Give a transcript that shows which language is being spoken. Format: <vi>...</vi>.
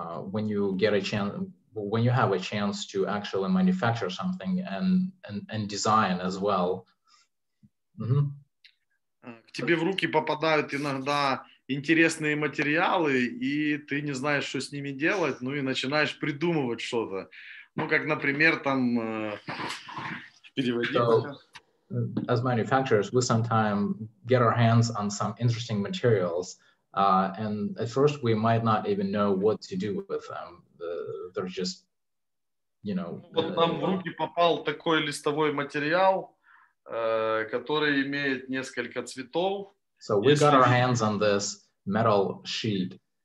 <en>When you get a chance, when you have a chance to actually manufacture something and design as well. Mm-hmm.</en> <ru>К тебе в руки попадают иногда интересные материалы, и ты не знаешь, что с ними делать, ну и начинаешь придумывать что-то. Ну, как, например, там, переводить.</ru> <en>So, as manufacturers, we sometimes get our hands on some interesting materials, and at first we might not even know what to do with them. They're just, you know...</en> <ru>Вот нам в руки попал такой листовой материал, который имеет несколько цветов.</ru> <en>So we got our hands on this metal sheet,</en>